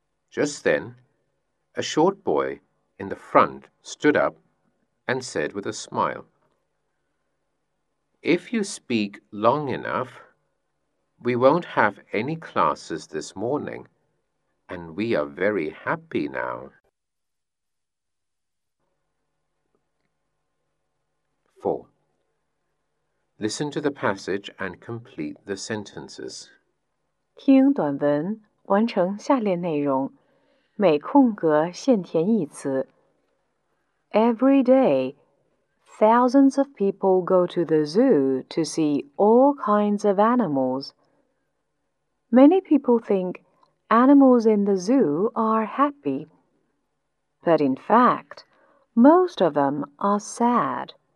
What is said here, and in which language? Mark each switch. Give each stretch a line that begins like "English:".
English: Just then, a short boy in the front stood up and said with a smile, "If you speak long enough, we won't have any classes this morning, and we are very happy now." Listen to the passage and complete the sentences.
Chinese: 听短文，完成下列内容，每空格现填一词。
English: Every day, thousands of people go to the zoo to see all kinds of animals. Many people think animals in the zoo are happy. But in fact, most of them are sad.